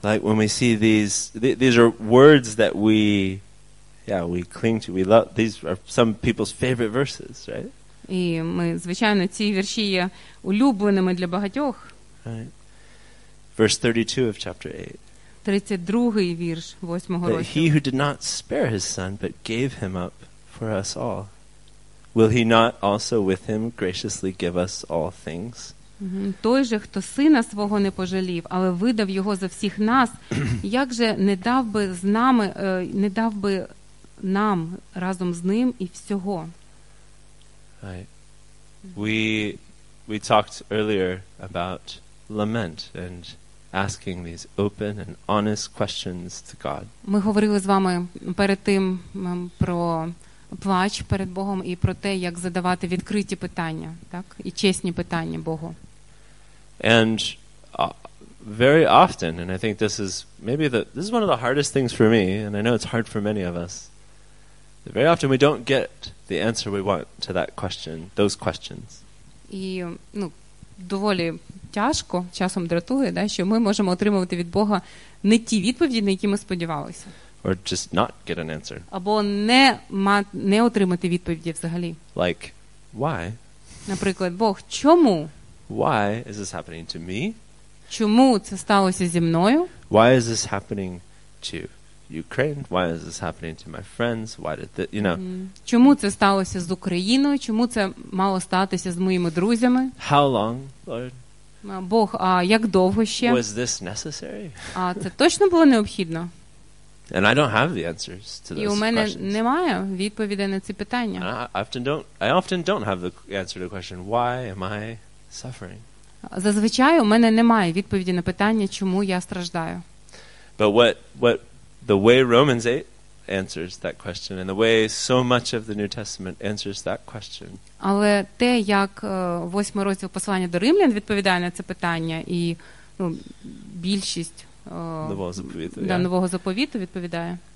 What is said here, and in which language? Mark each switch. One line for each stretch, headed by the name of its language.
English: like when we see these are words that we cling to, we love, these are some people's favorite verses, right?
Ukrainian: І ми, звичайно, ці вірші є улюбленими для багатьох.
English: Right. Verse 32 of chapter 8.
Ukrainian: 32-й вірш 8-го розділу.
English: He who did not spare his son, but gave him up for us all, will he not also with him graciously give us all things?
Ukrainian: Той же, хто сина свого не пожалів, але видав його за всіх нас, як же не дав би з нами, не дав би нам разом з ним і всього?
English: Right. We talked earlier about lament and asking these open and honest questions to God.
Ukrainian: Ми говорили з вами перед тим про плач перед Богом і про те, як задавати відкриті питання, так? І чесні питання Богу.
English: And very often, and I think this is maybe this is one of the hardest things for me, and I know it's hard for many of us. That very often we don't get the answer we want to that question, those questions.
Ukrainian: І, ну, доволі тяжко, часом дратує, да, що ми можемо отримувати від Бога не ті відповіді, на які ми сподівалися.
English: Or just not get an answer.
Ukrainian: Або не отримати відповіді взагалі.
English: Like, why?
Ukrainian: Наприклад, Бог, чому?
English: Why is this happening to me?
Ukrainian: Чому це сталося зі мною?
English: Why is this happening to Ukraine? Why is this happening to my friends? Why did you know?
Ukrainian: Чому це сталося з Україною? Чому це мало статися з моїми друзями?
English: How long, Lord?
Ukrainian: Бог, а як довго ще?
English: Was this necessary?
Ukrainian: А це точно було необхідно?
English: And I don't have the answers to those questions.
Ukrainian: І у мене немає відповіді на ці питання.
English: I often don't have the answer to the question, why am I suffering?
Ukrainian: Зазвичай у мене немає відповіді на питання, чому я страждаю.
English: But what the way Romans 8 answers that question, and the way so much of the New Testament answers that question.
Ukrainian: Але те, як 8 розділ послання до Римлян відповідає на це питання, і, ну, більшість нового заповіту відповідає.